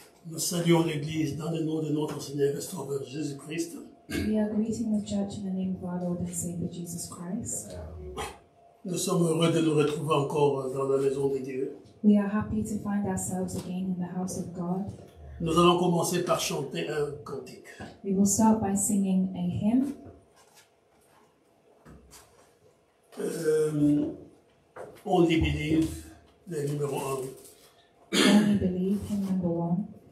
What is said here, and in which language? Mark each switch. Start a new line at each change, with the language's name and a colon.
French: Nous saluons l'Église dans le nom de notre Seigneur et Sauveur Jésus Christ.
English: We are greeting the church in the name of our Lord and Savior Jesus Christ.
French: Nous sommes heureux de nous retrouver encore dans la maison de Dieu.
English: We are happy to find ourselves again in the house of God.
French: Nous allons commencer par chanter un cantique.
English: We will start by singing a hymn.
French: Only Believe, le numéro 1.
English: Only Believe, hymn number 1.